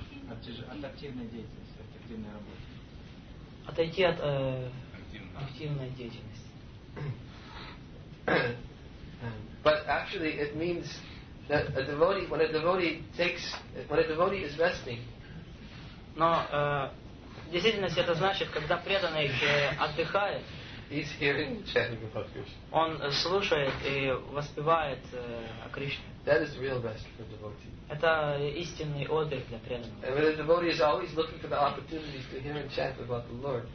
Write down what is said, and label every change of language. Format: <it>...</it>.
<ru>От активной деятельности, от активной работы. Отойти от активной деятельности.</ru> <en>But actually it means that a devotee, when a devotee takes, when a devotee is resting.</en> <ru>Но в действительности это значит, когда преданный отдыхает,</ru> <en>he's hearing and chanting about Krishna.</en> <ru>Он слушает и воспевает о Кришне.</ru> <en>That is real rest for a devotee.</en> <ru>Это истинный отдых для преданного.</ru> <en>And when a devotee is always looking for the opportunities to hear and chant about the Lord.</en>